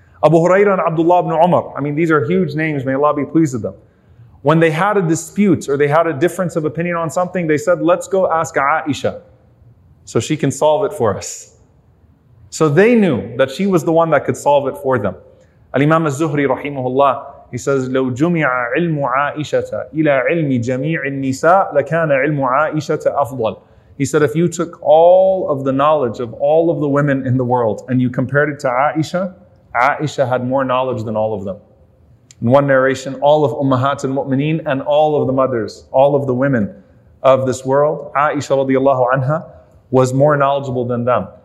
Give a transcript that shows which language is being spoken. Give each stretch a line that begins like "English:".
English: Abu Hurairah and Abdullah ibn Umar, I mean, these are huge names, may Allah be pleased with them. When they had a dispute or they had a difference of opinion on something, they said, let's go ask Aisha so she can solve it for us. So they knew that she was the one that could solve it for them.
Arabic: Al-Imam al-Zuhri, rahimahullah,
English: he says,
Arabic: لو جمع علم عائشة إلى علم جميع النساء لكان علم عائشة أفضل.
English: He said, if you took all of the knowledge of all of the women in the world and you compared it to Aisha, Aisha had more knowledge than all of them. In one narration, all of Ummahat al-Mu'mineen and all of the mothers, all of the women of this world, Aisha radiallahu anha, was more knowledgeable than them.